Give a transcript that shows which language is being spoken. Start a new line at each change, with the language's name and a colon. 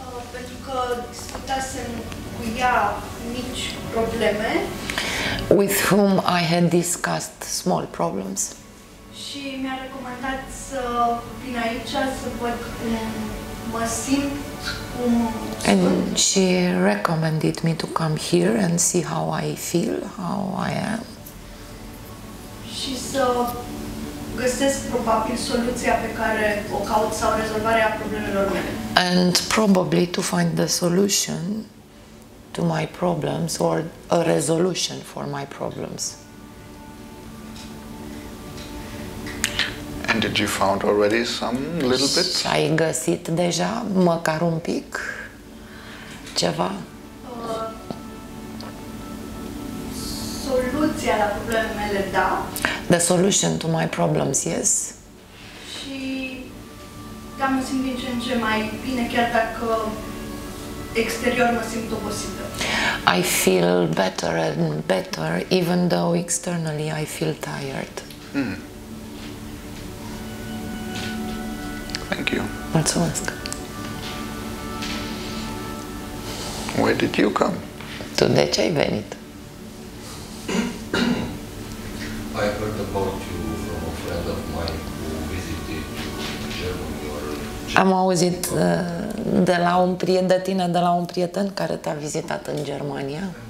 Romanian: Pentru că discutasem cu ea mici probleme.
English: With whom I had discussed small problems.
Romanian: Și mi-a recomandat să vin aici să văd cum mă simt, cum.
English: And she recommended me to come here and see how I feel, how I am.
Romanian: Și să găsesc probabil soluția pe care o caut sau rezolvarea problemelor mele.
English: And probably to find the solution to my problems or a resolution for my problems. And did you found already some little bit?
Romanian: Ai găsit deja măcar un pic ceva? Soluția la problemele mele, da.
English: The solution to my problems, yes.
Romanian: Și da, mă simt din ce în ce mai bine, chiar dacă exterior mă simt obosită.
English: I feel better and better, even though externally I feel tired. Mm. Thank you.
Romanian: Mulțumesc.
English: Where did you come?
Romanian: Tu de ce ai venit?
English: I heard about you from a friend of mine who visited you in Germany.
Romanian: Am auzit de la un prieten de tine, de la un prieten care te-a vizitat în Germania.